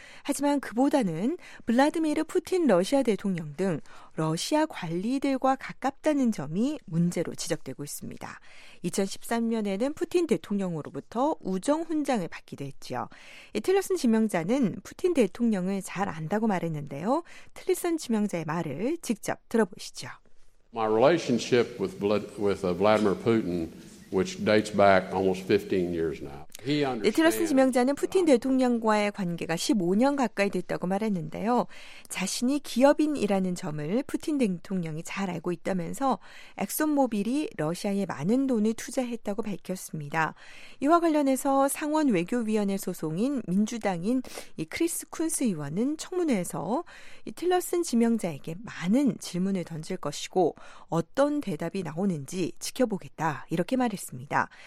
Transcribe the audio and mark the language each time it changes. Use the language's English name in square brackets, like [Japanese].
[Korean] 하지만 그보다는 블라드미르 푸틴 러시아 대통령 등 러시아 관리들과 가깝다는 점이 문제로 지적되고 있습니다. 2013년에는 푸틴 대통령으로부터 우정 훈장을 받기도 했죠. 틸러슨 지명자는 푸틴 대통령을 잘 안다고 말했는데요. 틸러슨 지명자의 말을 직접 들어보시죠. [English] My relationship with Vladimir Putin, which dates back almost 15 years now. [Korean] 틸러슨 지명자는 푸틴 대통령과의 관계가 15년 가까이 됐다고 말했는데요. 자신이 기업인이라는 점을 푸틴 대통령이 잘 알고 있다면서 엑소모빌이 러시아에 많은 돈을 투자했다고 밝혔습니다. 이와 관련해서 상원 외교위원회 소속인 민주당인 크리스 쿤스 의원은 청문회에서 틸러슨 지명자에게 많은 질문을 던질 것이고 어떤 대답이 나오는지 지켜보겠다 이렇게 말했습니다.